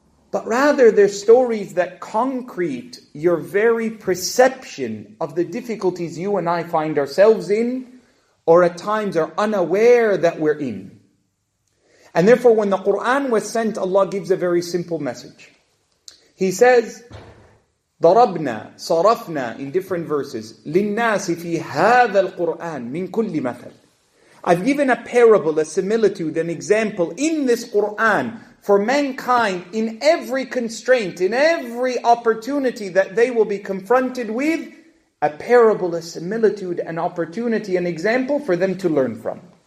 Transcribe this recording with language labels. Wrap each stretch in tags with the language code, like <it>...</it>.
<en>But rather, they're stories that concrete your very perception of the difficulties you and I find ourselves in, or at times are unaware that we're in. And therefore, when the Qur'an was sent, Allah gives a very simple message. He says,</en> <ar>ضَرَبْنَا صَرَفْنَا</ar> <en>in different verses,</en> <ar>لِلنَّاسِ فِي هَذَا الْقُرْآنِ مِنْ كُلِّ مَثَلٍ.</ar> <en>I've given a parable, a similitude, an example in this Qur'an for mankind in every constraint, in every opportunity that they will be confronted with, a parable, a similitude, an opportunity, an example for them to learn from.</en>